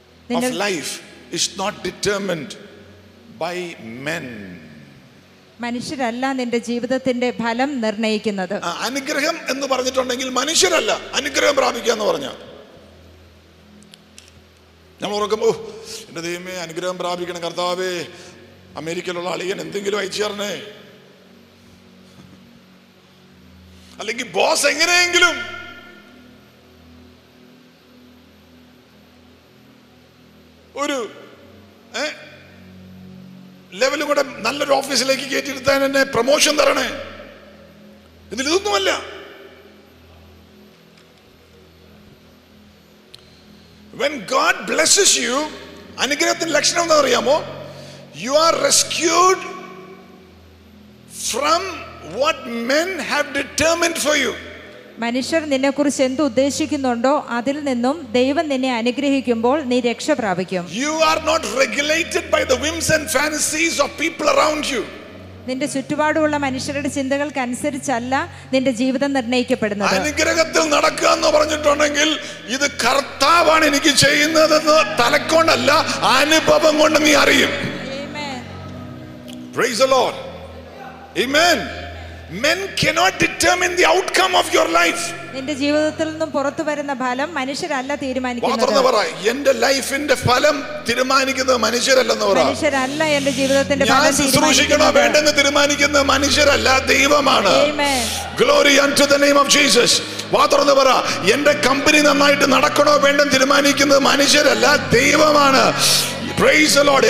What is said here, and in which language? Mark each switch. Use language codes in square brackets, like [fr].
[ml] നിന്റെ [en] life is not determined by men. [ml] മനുഷ്യരല്ല നിന്റെ ജീവിതത്തിന്റെ ഫലം നിർണയിക്കുന്നത്. അനുഗ്രഹം എന്ന് പറഞ്ഞിട്ടുണ്ടെങ്കിൽ മനുഷ്യരല്ല അനുഗ്രഹം പ്രാപിക്കുക എന്ന് പറഞ്ഞാൽ, നമ്മൾ ഓർക്കുമ്പോ എന്റെ ദൈവമേ അനുഗ്രഹം പ്രാപിക്കണം, കർത്താവേ അമേരിക്കയിലുള്ള അളിയൻ എന്തെങ്കിലും അയച്ചു തരണേ, അല്ലെങ്കിൽ ബോസ് എങ്ങനെയെങ്കിലും. ഒരു ലെവലും കൂടെ നല്ലൊരു ഓഫീസിലേക്ക് കയറ്റിയിരുത്താൻ എന്നെ പ്രൊമോഷൻ തരണേ, ഇതിൽ ഇതൊന്നുമല്ല. [en] When God blesses you, [ml] അനുഗ്രഹത്തിന്റെ ലക്ഷണം എന്താ അറിയാമോ? [en] You are rescued from what men have determined for you. [ml] മനുഷ്യർ നിന്നെ കുറിച്ച് എന്ത് ഉദ്ദേശിക്കുന്നുണ്ടോ അതിൽ നിന്നും ദൈവം നിന്നെ അനുഗ്രഹിക്കുമ്പോൾ നീ രക്ഷ പ്രാപിക്കും. [en] You are not regulated by the whims and fantasies of people around you. [ml] നിന്റെ ചുറ്റുപാടുമുള്ള മനുഷ്യരുടെ ചിന്തകൾക്ക് അനുസരിച്ചല്ല നിന്റെ ജീവിതം നിർണയിക്കപ്പെടുന്നത്. അനുഗ്രഹത്തിൽ നടക്കുക എന്ന് പറഞ്ഞിട്ടുണ്ടെങ്കിൽ ഇത് കർത്താവാണ് എനിക്ക് ചെയ്യുന്നതെന്ന് തലക്കൊണ്ടല്ല, അനുഭവം കൊണ്ട് നീ അറിയും. [en] Praise the Lord. Amen. Men cannot determine the outcome of your life. [ml] എന്റെ ജീവിതത്തിൽ നിന്നും പുറത്തു വരുന്ന ഫലം മനുഷ്യരല്ല തീരുമാനിക്കുന്നത്. വാത്രന്ന് പറ, എന്റെ ലൈഫിന്റെ ഫലം തീരുമാനിക്കുന്നത് മനുഷ്യരല്ലെന്ന് പറ. മനുഷ്യരല്ല എന്റെ ജീവിതത്തിന്റെ ഫലം തീരുമാനിക്കുന്നത്. ഞാൻ സുശ്രൂഷിക്കണോ വേണ്ടെന്ന് തീരുമാനിക്കുന്നത് മനുഷ്യരല്ല, ദൈവമാണ്. [en] Glory unto the name of Jesus. [ml] വാത്രന്ന് പറ, എന്റെ കമ്പനി നന്നായിട്ട് നടക്കണോ വേണ്ടെന്ന് തീരുമാനിക്കുന്നത് മനുഷ്യരല്ല, ദൈവമാണ്. [en] Praise the Lord.